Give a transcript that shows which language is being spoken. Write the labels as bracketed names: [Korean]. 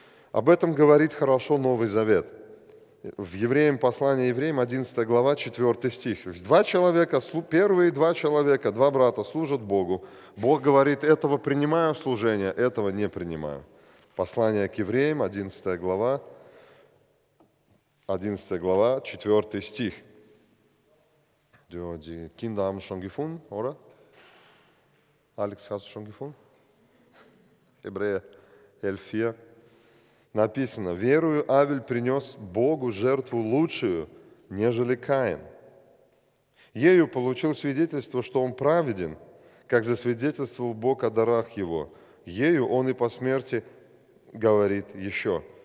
[Russian] Об этом говорит хорошо Новый Завет. В Евреям, послание Евреям, 11 глава, 4 стих. Два человека, первые два человека, два брата служат Богу. Бог говорит, этого принимаю служение, этого не принимаю. Послание к Евреям, 11 глава, 4 стих. [German] Kinder schon gefunden, oder? Alex, hast du schon gefunden? Hebräer 11,4. [Russian] Написано, верую Авель принес Богу жертву лучшую, нежели Каин. Ею получил свидетельство, что он праведен, как засвидетельствовал Бог о дарах его. Ею он и по смерти говорит еще.